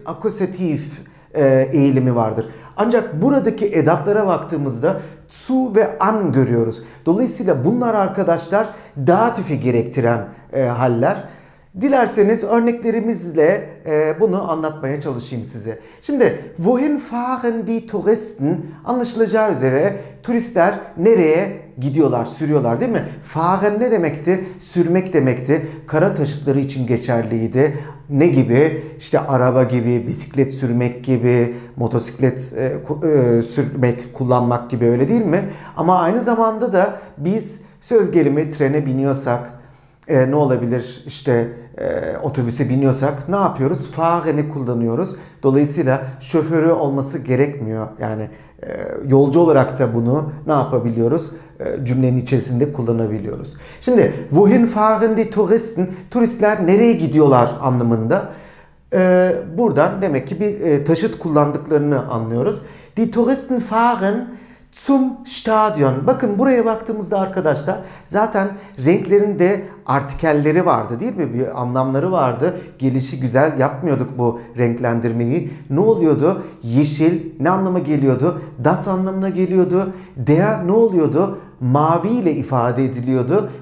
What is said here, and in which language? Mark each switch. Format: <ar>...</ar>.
<tr>Akusatif eğilimi vardır. Ancak buradaki edatlara baktığımızda zu ve an görüyoruz. Dolayısıyla bunlar arkadaşlar datifi gerektiren haller. Dilerseniz örneklerimizle bunu anlatmaya çalışayım size. Şimdi</tr> <de>wohin fahren die Touristen?</de> <tr>Anlaşılacağı üzere turistler nereye gidiyorlar, sürüyorlar değil mi? Fahren ne demekti? Sürmek demekti. Kara taşıtları için geçerliydi. Ne gibi? İşte araba gibi, bisiklet sürmek gibi, motosiklet sürmek, kullanmak gibi, öyle değil mi? Ama aynı zamanda da biz söz gelimi trene biniyorsak, ne olabilir işte otobüse biniyorsak ne yapıyoruz? Fahren'i kullanıyoruz. Dolayısıyla şoförü olması gerekmiyor. Yani yolcu olarak da bunu ne yapabiliyoruz? Cümlenin içerisinde kullanabiliyoruz. Şimdi</tr> <de>wohin fahren die Touristen?</de> <tr>Turistler nereye gidiyorlar anlamında. Buradan demek ki bir taşıt kullandıklarını anlıyoruz.</tr> <de>Die Touristen fahren zum Stadion.</de> <tr>Bakın buraya baktığımızda arkadaşlar zaten renklerinde artikelleri vardı değil mi? Bir anlamları vardı. Gelişi güzel yapmıyorduk bu renklendirmeyi. Ne oluyordu? Yeşil ne anlama geliyordu? Das anlamına geliyordu. Der ne oluyordu? Mavi ile ifade ediliyordu.</tr>